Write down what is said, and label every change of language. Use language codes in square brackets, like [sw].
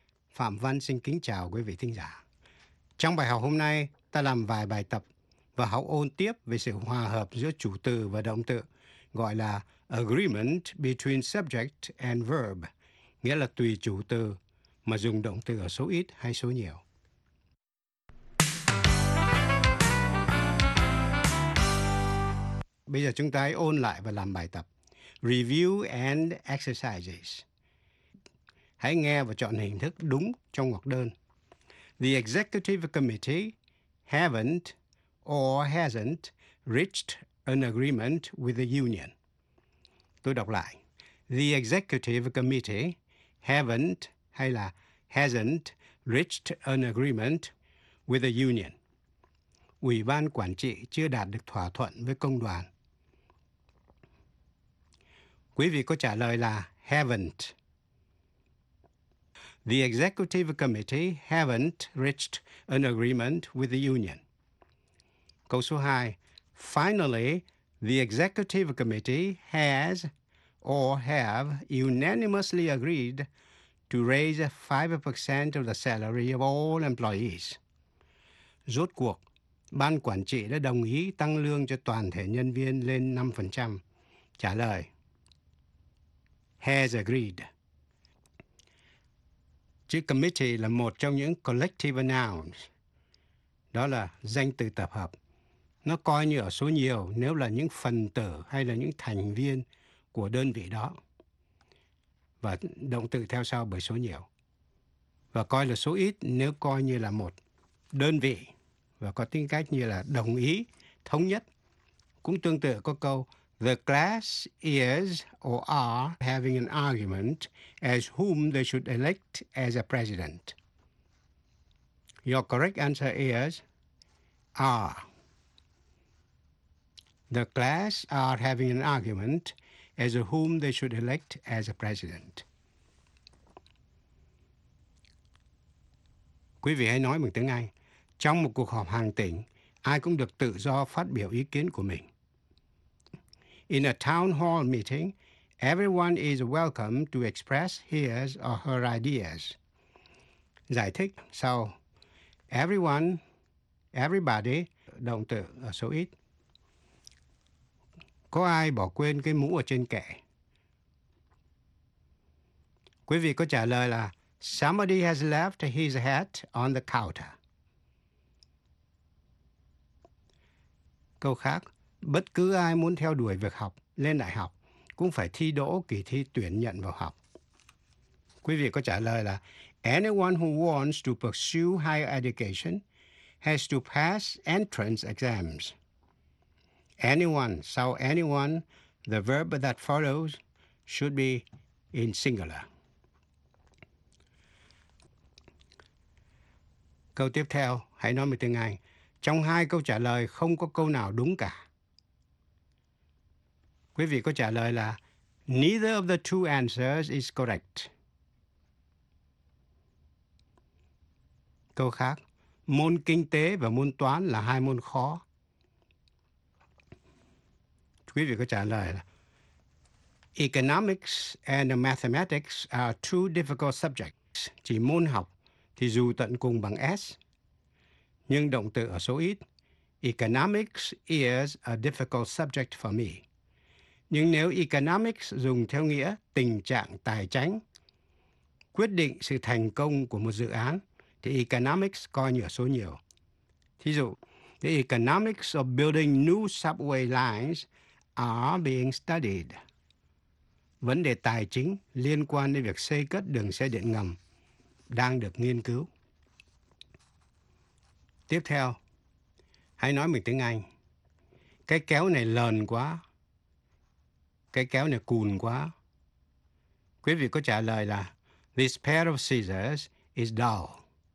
[vi] Phạm Văn xin kính chào quý vị thính giả. Trong bài học hôm nay, ta làm vài bài tập và học ôn tiếp về sự hòa hợp giữa chủ từ và động từ, gọi là [en] agreement between subject and verb, [vi] nghĩa là tùy chủ từ mà dùng động từ ở số ít hay số nhiều. Bây giờ chúng ta hãy ôn lại và làm bài tập. [en] Review and exercises. [vi] Hãy nghe và chọn hình thức đúng trong ngoặc đơn. [en] The executive committee haven't or hasn't reached an agreement with the union. [vi] Tôi đọc lại. [en] The executive committee haven't [vi] hay là [en] hasn't reached an agreement with the union. [vi] Ủy ban quản trị chưa đạt được thỏa thuận với công đoàn. Quý vị có trả lời là haven't. [en] The executive committee haven't reached an agreement with the union. [vi] Câu số 2. [en] Finally, the executive committee has or have unanimously agreed to raise 5% of the salary of all employees. [vi] Rốt cuộc, ban quản trị đã đồng ý tăng lương cho toàn thể nhân viên lên 5%. Trả lời. [en] Has agreed. [vi] Chữ committee là một trong những [en] collective nouns. [vi] Đó là danh từ tập hợp. Nó coi như ở số nhiều nếu là những phần tử hay là những thành viên của đơn vị đó. Và động từ theo sau bởi số nhiều. Và coi là số ít nếu coi như là một đơn vị và có tính cách như là đồng ý, thống nhất. Cũng tương tự có câu [en] The class is or are having an argument as whom they should elect as a president. Your correct answer is are. The class are having an argument as whom they should elect as a president. [vi] Quý vị hãy nói bằng tiếng Anh. Trong một cuộc họp hàng tỉnh, ai cũng được tự do phát biểu ý kiến của mình. [en] In a town hall meeting, everyone is welcome to express his or her ideas. [vi] Giải thích sau. Everyone, everybody, động từ ở số ít. Có ai bỏ quên cái mũ ở trên kệ? Quý vị có trả lời là [en] somebody has left his hat on the counter. [vi] Câu khác. Bất cứ ai muốn theo đuổi việc học, lên đại học, cũng phải thi đỗ kỳ thi tuyển nhận vào học. Quý vị có trả lời là [en] anyone who wants to pursue higher education has to pass entrance exams. Anyone, sau anyone, the verb that follows should be in singular. [vi] Câu tiếp theo, hãy nói một tiếng Anh. Trong hai câu trả lời, không có câu nào đúng cả. Quý vị có trả lời là [en] neither of the two answers is correct. [vi] Câu khác, môn kinh tế và môn toán là hai môn khó. Quý vị có trả lời là [en] economics and mathematics are two difficult subjects. [vi] Chỉ môn học thì dù tận cùng bằng S, nhưng động từ ở số ít. [en] Economics is a difficult subject for me. [vi] Nhưng nếu economics dùng theo nghĩa tình trạng tài chính quyết định sự thành công của một dự án, thì economics coi như ở số nhiều. Thí dụ, [en] the economics of building new subway lines are being studied. [vi] Vấn đề tài chính liên quan đến việc xây cất đường xe điện ngầm đang được nghiên cứu. Tiếp theo, hãy nói mình tiếng Anh. Cái kéo này lờn quá. Cái kéo này cùn quá. Quý vị có trả lời là [en] this pair of scissors is dull.